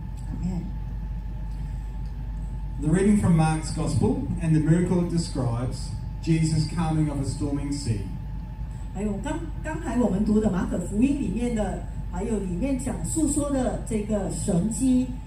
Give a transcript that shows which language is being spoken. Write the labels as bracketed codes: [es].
[en] Amen. The reading from Mark's Gospel and the miracle it describes, Jesus calming of a storming sea. [zh] 还有刚才我们读的马可福音里面的，还有里面讲述说的这个神迹，